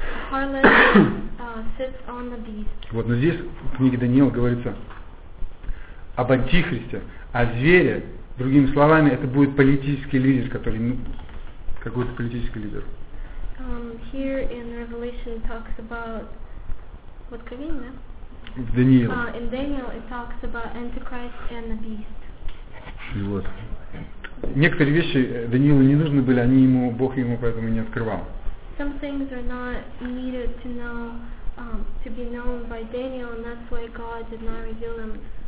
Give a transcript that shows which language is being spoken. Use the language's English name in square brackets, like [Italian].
[English] Harlot sits on the beast. [Russian] Вот, но здесь в книге Даниила говорится об антихристе, о звере, другими словами, это будет политический лидер, который, ну, какой-то политический лидер. [English] Here in Revelation talks about what Kavin, да? [Russian] В Даниил. [English] In Daniel it talks about Antichrist and the beast. [Russian] И вот. Некоторые вещи Даниилу не нужны были, они ему, Бог ему поэтому не открывал. [English] Some things are not needed to know, to be known by Daniel, and that's why God did not reveal them.